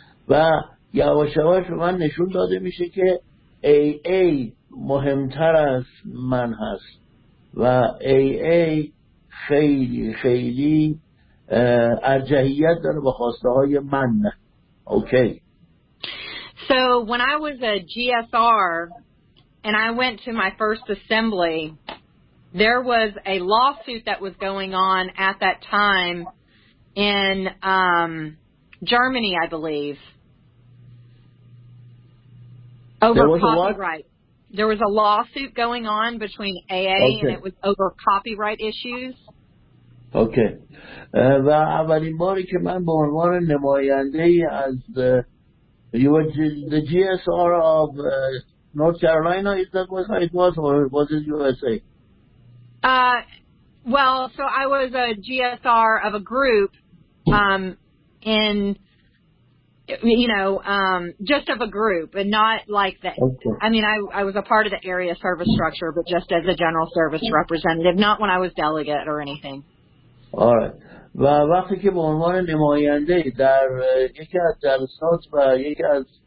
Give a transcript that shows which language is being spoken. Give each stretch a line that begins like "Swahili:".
Persian: و یواش یواش به من نشون داده میشه که AA مهمتر از من هست و AA خیلی خیلی ارجحیت داره با خواسته های من. اوکی.
English: So when I was a GSR and I went to my first assembly, there was a lawsuit that was going on at that time in Germany, I believe. Over copyright. There was a lawsuit going on between AA okay. and it was over copyright issues. Okay.
Persian: و اولین باری که من به عنوان نماینده از
English: the GSR of North Carolina, is that what it was or was it USA? Well, so I was a GSR of a group in just of a group, and not like the. Okay. I mean, I was a part of the area service structure, but just as a general service representative, not when I was delegate or anything. All right.
Persian: و وقتی که به عنوان نماینده در یکی از جلسات و یکی از